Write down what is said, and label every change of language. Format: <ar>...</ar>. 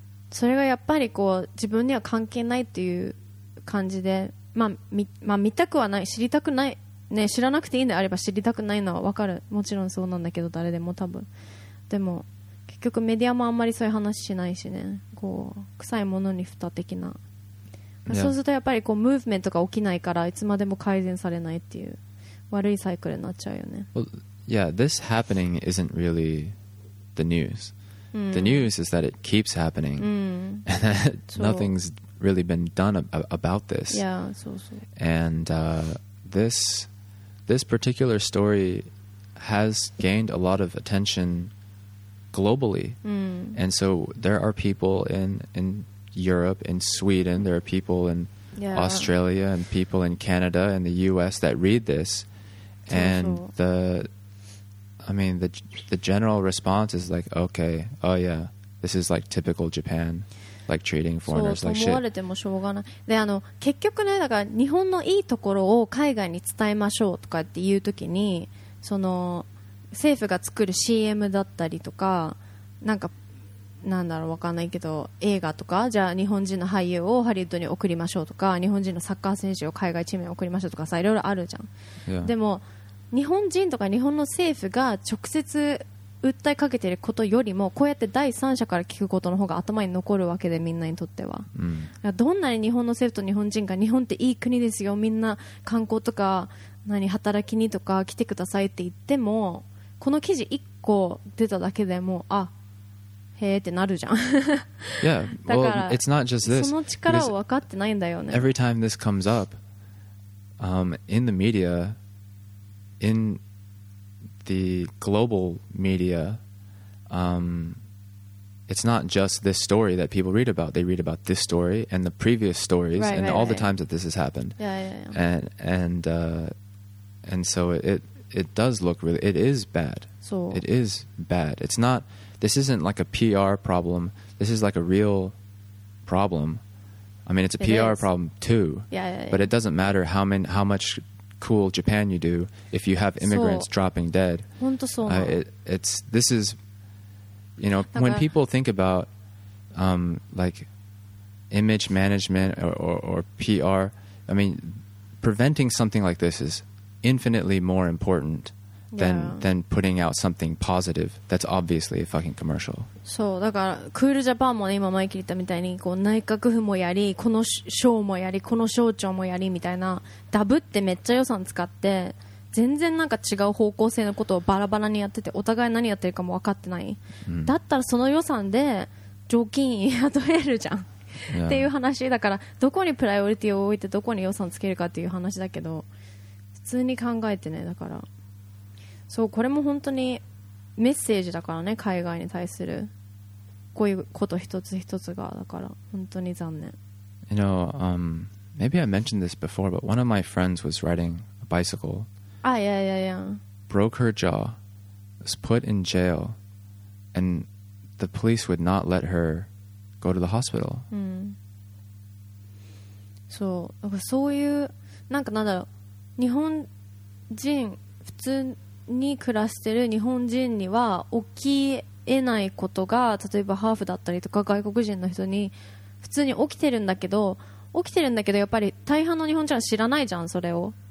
<ja>それがやっぱりこう自分には関係ないっていう感じで、まあ、見たくはない知りたくない、ね、知らなくていいのであれば知りたくないのは分かるもちろんそうなんだけど誰でも多分でも結局メディアもあんまりそういう話しないしねこう臭いものに蓋的な、まあ、そうするとやっぱりこうムーブメントが起きないからいつまでも改善されないっていう悪いサイクルになっちゃうよね</ja> <en>well, Yeah, this happening isn't really the news、うん、The news is that it keeps happening、</en> <ja>うん、</ja> <en>And that nothing's really been done about this</en> <ja>Yeah, そうそう</ja> <en>And、this particular story has gained a lot of attentionglobally、</en> <ja>うん、</ja> <en>and so there are people in Europe in Sweden there are people in、 yeah. Australia and people in Canada and the US that read this and the I mean the general response is like okay oh yeah this is like typical Japan like treating foreigners like shit</en> <ja>そう思われてもしょうがないで結局ねだから日本のいいところを海外に伝えましょうとかっていう時にその政府が作る CM だったりとかなんかなんだろう分かんないけど映画とかじゃあ日本人の俳優をハリウッドに送りましょうとか日本人のサッカー選手を海外チームに送りましょうとかさいろいろあるじゃん、</ja> <en>yeah.</en> <ja>でも日本人とか日本の政府が直接訴えかけてることよりもこうやって第三者から聞くことの方が頭に残るわけでみんなにとっては、うん、だからどんなに日本の政府と日本人が日本っていい国ですよみんな観光とか何働きにとか来てくださいって言ってもこの記事1個出ただけでもうあへーってなるじゃん</ja> <en>Yeah, well, it's not just this</en> <ja>その力を分かってないんだよね</ja> <en>Every time this comes up in the media in the global media, it's not just this story that people read about. They read about this story and the previous stories right, the times that this has happened. Yeah. And so it does look really, it is bad. It's not, this isn't like a PR problem. This is like a real problem. I mean, it's a PR problem too. Yeah. But it doesn't matter how much cool Japan you do if you have immigrants dropping dead. You know, when people think about like image management or PR, I mean, preventing something like this is infinitely more important than putting out something positive that's obviously a fucking commercial.</en> <ja>そう、だからクールジャパンもね、今マイケル言ったみたいにこう内閣府もやり、この省もやり、この省庁もやりみたいな、ダブってめっちゃ予算使って全然なんか違う方向性のことをバラバラにやってて、お互い何やってるかも分かってない、だったらその予算で常勤医雇えるじゃん、っていう話だから、どこにプライオリティを置いてどこに予算つけるかっていう話だけど、普通に考えてね。だからそう、これも本当にメッセージだからね、海外に対するこういうこと一つ一つが、だから本当に残念。</ja> <en>You know, maybe I mentioned this before, but one of my friends was riding a bicycle. Yeah. Broke her jaw, was put in jail, and the police would not let her go to the hospital.</en> <ja>そう、だからそういう、なんかなんだろう、日本人普通に暮らしてる日本人には起きえないことが、例えばハーフだったりとか外国人の人に普通に起きてるんだけど、起きてるんだけど、やっぱり大半の日本人は知らないじゃん、それを。</ja>